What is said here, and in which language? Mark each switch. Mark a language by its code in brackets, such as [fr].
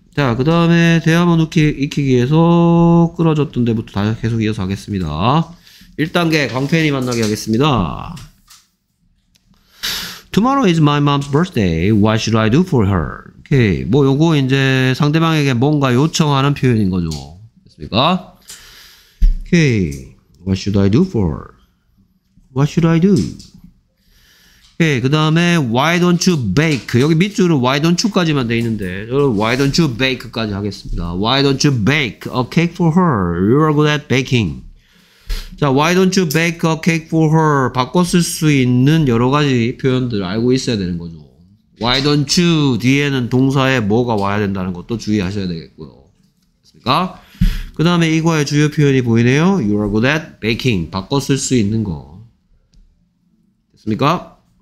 [ko] 자, 그 다음에 대화만 익히기 위해서 끌어졌던 데부터 다 계속 이어서 하겠습니다. 1단계 광팬이 만나게 하겠습니다. [en] Tomorrow is my mom's birthday. What should I do for her? 오케이. [ko] 뭐 요거 이제 상대방에게 뭔가 요청하는 표현인 거죠. 됐습니까? 오케이. [en] What should I do for her? What should I do? [ko] 예, 그 다음에 [en] why don't you bake? [ko] 여기 밑줄은 [en] why don't you [ko] 까지만 돼 있는데 저는 [en] why don't you bake [ko] 까지 하겠습니다. [en] Why don't you bake a cake for her? You are good at baking. 자, why don't you bake a cake for her? [ko] 바꿔 쓸 수 있는 여러 가지 표현들 알고 있어야 되는 거죠. [en] Why don't you [ko] 뒤에는 동사에 뭐가 와야 된다는 것도 주의하셔야 되겠고요. 됐습니까? 그 다음에 이거의 주요 표현이 보이네요. [en] You are good at baking. [ko] 바꿔 쓸 수 있는 거. 됐습니까?